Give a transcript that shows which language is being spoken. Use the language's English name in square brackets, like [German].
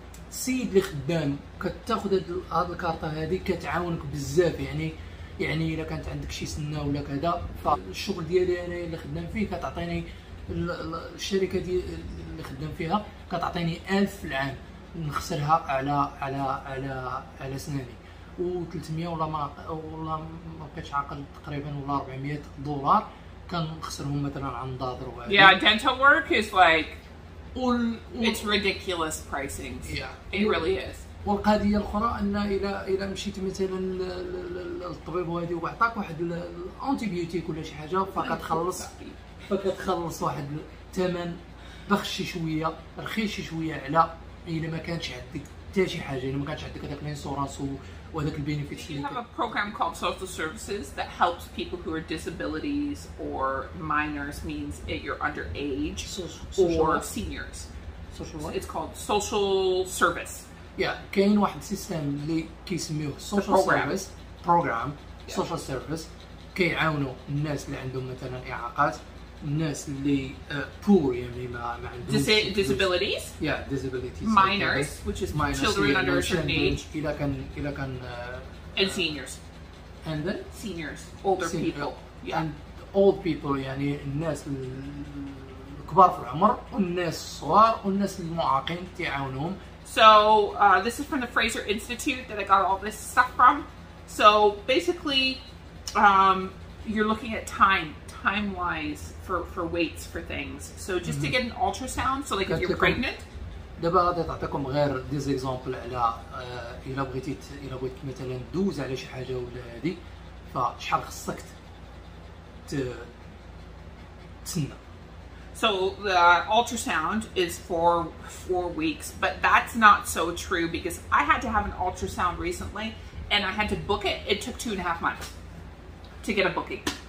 [Arabic] كتسيد اللي خدام كتاخذ هاد الكارطة هادي كتعاونك بزاف يعني الا كانت عندك شي سنه ولا كذا فالشغل ديالي انا اللي خدام فيه كتعطيني الشركه ديال اللي خدام فيها كتعطيني 1000 العام نخسرها على على على على سناني و 300 ولا ما بقيتش عاقل تقريبا ولا 400 دولار كنخسرهم مثلا عن نظاظر وهذا. [English] Yeah, dental work is like it's ridiculous pricing. Yeah. It really is. [Arabic] والقضية الأخرى أن إلى مشيت مثلا للطبيب وهذا وعطاك واحد الأنتيبيوتيك ولا شي حاجة فكتخلص واحد الثمن بخشي شوية رخيشي شوية على إلى ما كانش عندك حتى شي حاجة إلى ما كانش عندك هذاك الإنسورانس [English] You have a program called social services that helps people who are disabilities or minors, means it, you're underage or seniors. Social what? It's called social service. [Arabic] Yeah, كاين واحد سيستم اللي كيسميوه [English] social service program. [Arabic] Social service كيعاونوا الناس اللي عندهم مثلا اعاقات الناس اللي poor يعني ما عندهم [English] disabilities. Yeah, disabilities. Minors, which is minors, children under a certain age. [Arabic] إذا كان [English] and seniors. And then seniors, older people. Yeah. And old people [Arabic] يعني الناس الكبار في العمر والناس الصغار والناس المعاقين تعاونهم. [English] So this is from the Fraser Institute that I got all this stuff from. So basically, you're looking at time-wise. For weights for things. So just to get an ultrasound, so like if you're pregnant. [Arabic] دابا غادي نعطيكم غير ديز اكزامبل على الا بغيتي الا بغيت مثلا دوز على شي حاجه ولا هادي فشحال خصك تسنى. [English] So the ultrasound is for 4 weeks, but that's not so true because I had to have an ultrasound recently and I had to book it. It took 2.5 months to get a booking.